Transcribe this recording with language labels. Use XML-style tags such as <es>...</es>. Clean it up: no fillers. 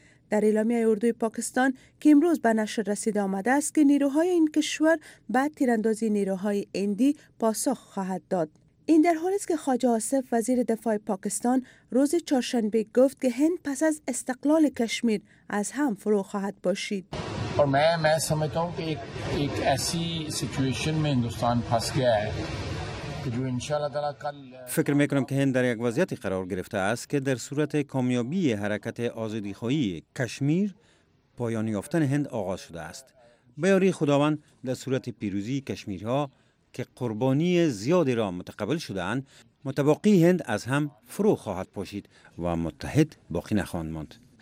<fa>در اعلامیه اردوی پاکستان که امروز به نشر رسیده آمده است که نیروهای این کشور بعد تیراندازی نیروهای هندی پاسخ خواهد داد. این در حالی است که خواجه آصف وزیر دفاع پاکستان روز چهارشنبه گفت که هند پس از استقلال کشمیر از هم فرو خواهد پاشید.</fa> <ur>اور میں سمجھتا ہوں کہ ایک ایسی سچویشن میں ہندوستان پھنس گیا ہے جو انشاءاللہ تعالی کل</ur> <fa>فکر میکنم که هند در یک وضعیت قرار گرفته است که در صورت کامیابی حرکت آزادی خواهی کشمیر پایان یافتن هند آغاز شده است. به یاری خداوند در صورت پیروزی کشمیرها که قربانی زیادی را متقبل شدند متبقی هند از هم فرو خواهد پاشید و متحد باقی نخواهند ماند.</fa>